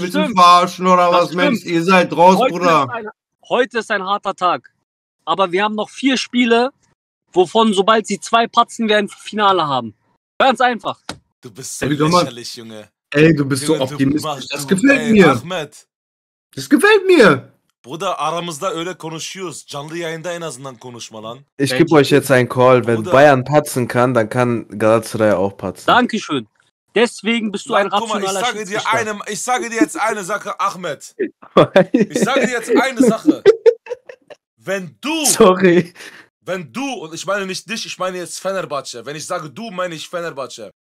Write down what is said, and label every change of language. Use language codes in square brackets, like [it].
[de] Willst du verarschen oder das was, stimmt. Mensch? Ihr seid raus, heute Bruder. Heute ist ein harter Tag. Aber wir haben noch 4 Spiele, wovon, sobald sie 2 patzen, wir ein Finale haben. Ganz einfach. Du bist so lächerlich, Junge. Ey, du bist so optimistisch. Das gefällt mir. Ahmed. Das gefällt mir. [tr] Bruder, aramızda öyle konuşuyoruz. Canlı yayında en azından konuşma lan. [de] Ich gebe euch jetzt einen Call. Wenn Bruder, Bayern patzen kann, dann kann Galatasaray auch patzen. Dankeschön. Deswegen bist du ein rationaler Schiedsrichter. Ich sage dir jetzt eine Sache, Ahmed. Ich sage dir jetzt eine Sache. Wenn du... Sorry. Wenn du, und ich meine nicht dich, ich meine jetzt Fenerbahçe. Wenn ich sage du, meine ich Fenerbahçe.